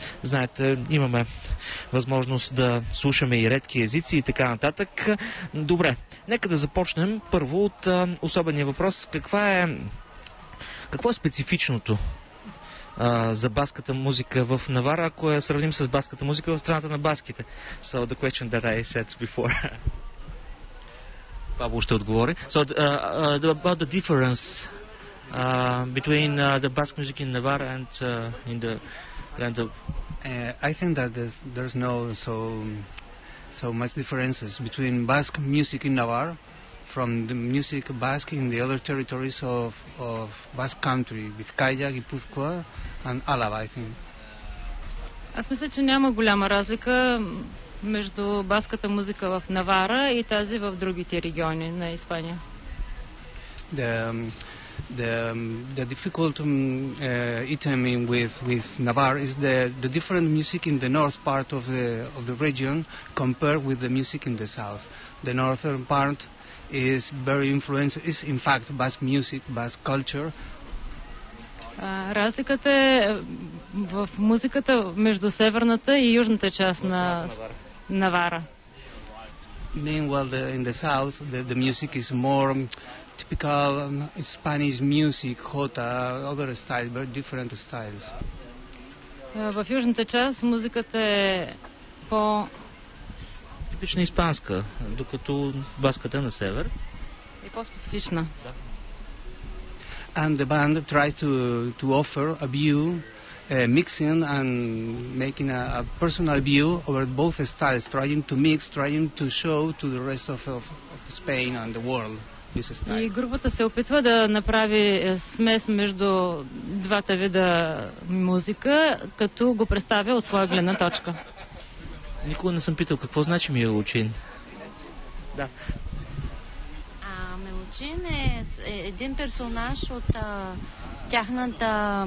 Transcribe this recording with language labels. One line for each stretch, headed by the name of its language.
Bulgarian: Знаете, имаме възможност да слушаме и редки езици и така нататък. Добре, нека да започнем първо от особения въпрос. Какво е специфичното за баската музика в Навара, ако я сравним с баската музика в страната на баските?
English: So the question that I said before.
Bulgarian: Пабло ще отговори.
English: So about the difference between the Basque music in Navara and in the lands of... I think that there's no so much differences between Basque music in Navara from the music Basque in the other territories of Basque country, Vizcaya, Guipúzcoa and Álava, I think.
Bulgarian: Аз мисля, че няма голяма разлика между баската музика в Навара и тази в другите региони на Испания.
English: The difficult item with Navarre is the different music in the north part of the region compared with the music in the south. The northern part is very influenced, is in fact Basque music, Basque culture.
Bulgarian: Разликата е в музиката между северната и южната част на Навара.
English: Meanwhile, in the south, the music is more typical Spanish music, jota, other styles, very different styles.
Bulgarian: В южната част музиката е по... Типична испанска, докато баската на север е по-специфична.
English: And the band tried to offer a view, mixing and making a personal view over both styles, trying to mix, trying to show to the rest of Spain and the world this style.
Bulgarian: И групата се опитва да направи смес между двата вида музика, като го представя от своя гледна точка. Никога не съм питал какво значи Мия Лучин. Да. Мелочин е един персонаж от тяхната...